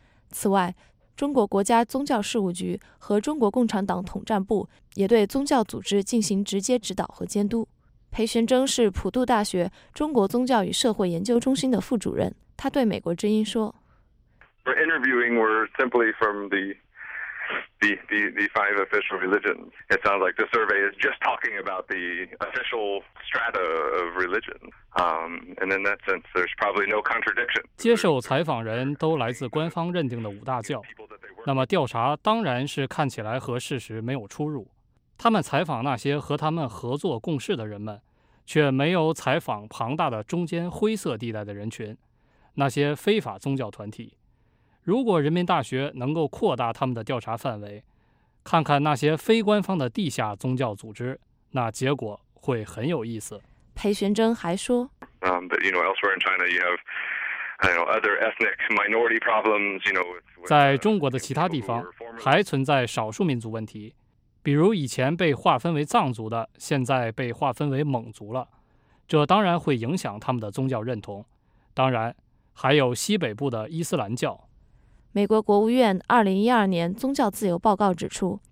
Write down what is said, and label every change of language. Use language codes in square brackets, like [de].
[zh] 此外，中国国家宗教事务局和中国共产党统战部也对宗教组织进行直接指导和监督。裴玄征是普渡大学中国宗教与社会研究中心的副主任，他对美国之音说， [en] The five official religions. It sounds like the survey is just talking about the official strata of religion. And in that sense, there's probably no contradiction. [zh] 接受采访人都来自官方认定的五大教，那么调查当然是看起来和事实没有出入。他们采访那些和他们合作共事的人们，却没有采访庞大的中间灰色地带的人群，那些非法宗教团体。如果人民大学能够扩大他们的调查范围，看看那些非官方的地下宗教组织，那结果会很有意思。裴玄征还说， [en] elsewhere in China you have, other ethnic minority problems, with, [zh] 在中国的其他地方还存在少数民族问题，比如以前被划分为藏族的，现在被划分为蒙族了，这当然会影响他们的宗教认同。当然，还有西北部的伊斯兰教。美国国务院2012年宗教自由报告指出，